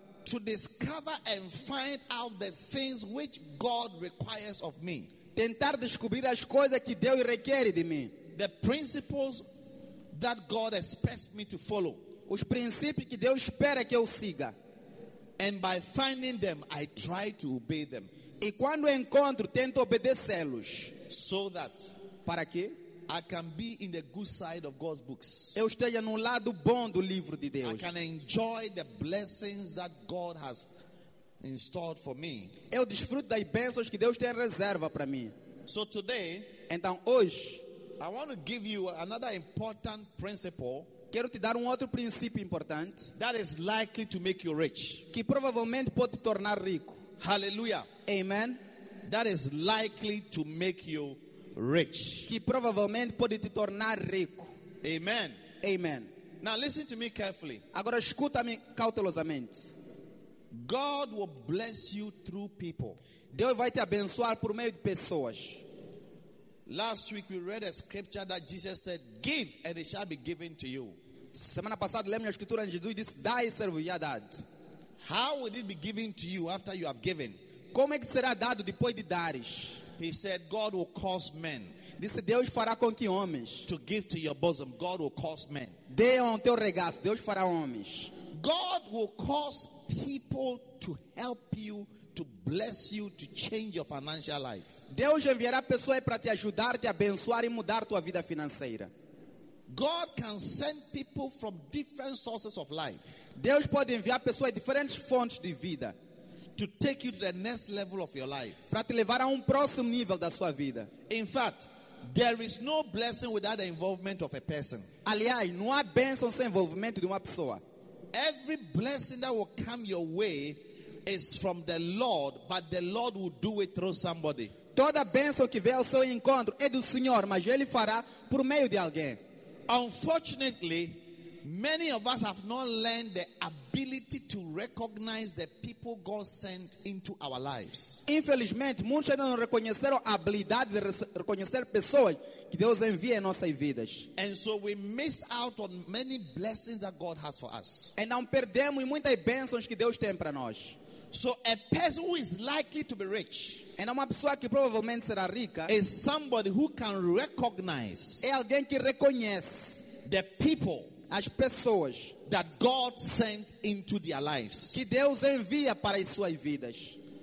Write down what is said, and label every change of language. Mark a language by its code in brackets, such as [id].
[en] to discover and find out the things which God requires of me. [pt] Tentar descobrir as coisas que Deus requer de mim. [en] The principles that God expects me to follow. [pt] Os princípios que Deus espera que eu siga. [en] And by finding them, I try to obey them. [pt] E quando encontro, tento obedecê-los. [en] So that, [pt] para quê? [en] I can be in the good side of God's books. [pt] Eu esteja no lado bom do livro de Deus. [en] I can enjoy the blessings that God has in store for me. [pt] Eu desfruto das bênçãos que Deus tem reserva para mim. [en] So today, [pt] então hoje, [en] I want to give you another important principle. [pt] Quero te dar outro princípio importante. [en] That is likely to make you rich. [pt] Que provavelmente pode te tornar rico. [en] Hallelujah. Amen. That is likely to make you rich. [pt] Que provavelmente pode te tornar rico. [en] Amen. Amen. Now listen to me carefully. [pt] Agora escuta-me cautelosamente. [en] God will bless you through people. [pt] Deus vai te abençoar por meio de pessoas. [en] Last week we read a scripture that Jesus said, "Give and it shall be given to you." [pt] Semana passada lemos a escritura em Jesus disse, "Dai e ser-vos-á dado." [en] How will it be given to you after you have given? [pt] Como é que será dado depois de dares? [en] He said, God will cause men. [pt] Disse, Deus fará com que homens. [en] To give to your bosom, God will cause men. [pt] Deão teu regaço, Deus fará homens. [en] God will cause people to help you, to bless you, to change your financial life. [pt] Deus enviará pessoas para te ajudar, te abençoar e mudar tua vida financeira. [en] God can send people from different sources of life. [pt] Deus pode enviar pessoas de diferentes fontes de vida. [en] To take you to the next level of your life. [pt] Para te levar a próximo nível da sua vida. [en] In fact, there is no blessing without the involvement of a person. [pt] Aliás, não há bênção sem envolvimento de uma pessoa. [en] Every blessing that will come your way is from the Lord, but the Lord will do it through somebody. [pt] Toda bênção que vem ao seu encontro é do Senhor, mas ele fará por meio de alguém. [en] Unfortunately, many of us have not learned the ability to recognize the people God sent into our lives. [pt] Infelizmente, muitos ainda não reconheceram a habilidade de reconhecer pessoas que Deus envia em nossas vidas. [en] And so we miss out on many blessings that God has for us. [pt] Então perdemos muitas bênçãos que Deus tem para nós. [en] So a person who is likely to be rich, [pt] and uma pessoa que provavelmente será rica, [en] is somebody who can recognize, [pt] é alguém que reconhece, [en] the people, [pt] as pessoas, [en] that God sent into their lives, [pt] que Deus envia para as suas vidas.